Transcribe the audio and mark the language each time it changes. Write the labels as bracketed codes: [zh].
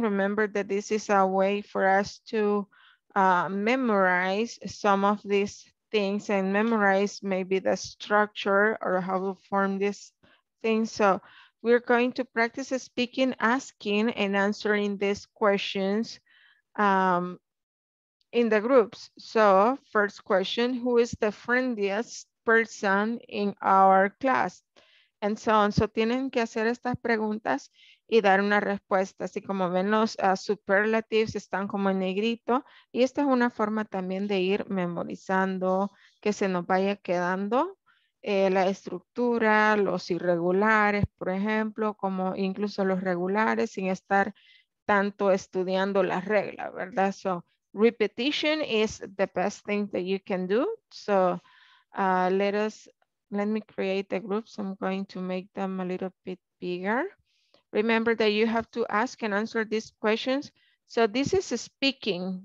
[en] Remember that this is a way for us to memorize some of these things and memorize maybe the structure or how to form this thing. So we're going to practice speaking, asking and answering these questions in the groups. So first question, who is the friendliest person in our class? And so on. [es] So tienen que hacer estas preguntas y dar una respuesta. Así como ven, los superlatives están como en negrito. Y esta es una forma también de ir memorizando, que se nos vaya quedando la estructura, los irregulares, por ejemplo, como incluso los regulares, sin estar tanto estudiando la regla, ¿verdad? [en] So repetition is the best thing that you can do. So let me create a group. So I'm going to make them a little bit bigger. Remember that you have to ask and answer these questions. So this is speaking.